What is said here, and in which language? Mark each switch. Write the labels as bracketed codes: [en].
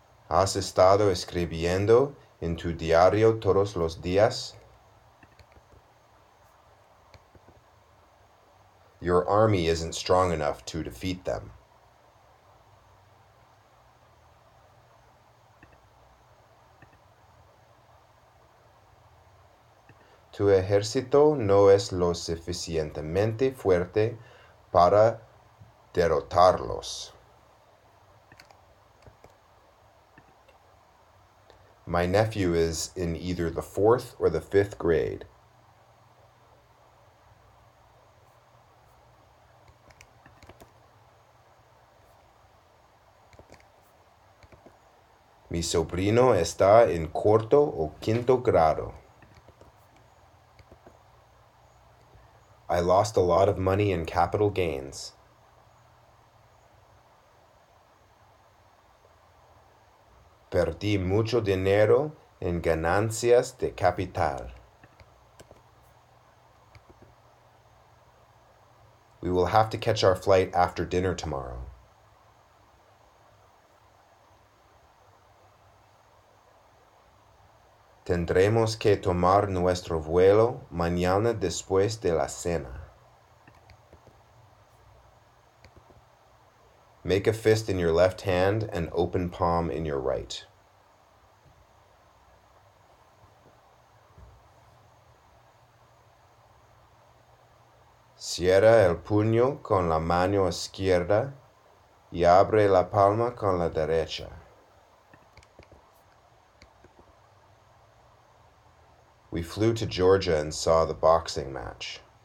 [es] ¿Has estado escribiendo en tu diario todos los días? [en] Your army isn't strong enough to defeat them. [es] Tu ejército no es lo suficientemente fuerte para derrotarlos. [en] My nephew is in either the fourth or the fifth grade. [es] Mi sobrino está en cuarto o quinto grado. [en] I lost a lot of money in capital gains. [es] Perdí mucho dinero en ganancias de capital. [en] We will have to catch our flight after dinner tomorrow. [es] Tendremos que tomar nuestro vuelo mañana después de la cena. [en] Make a fist in your left hand and open palm in your right. [es] Cierra el puño con la mano izquierda y abre la palma con la derecha. [en] We flew to Georgia and saw the boxing match.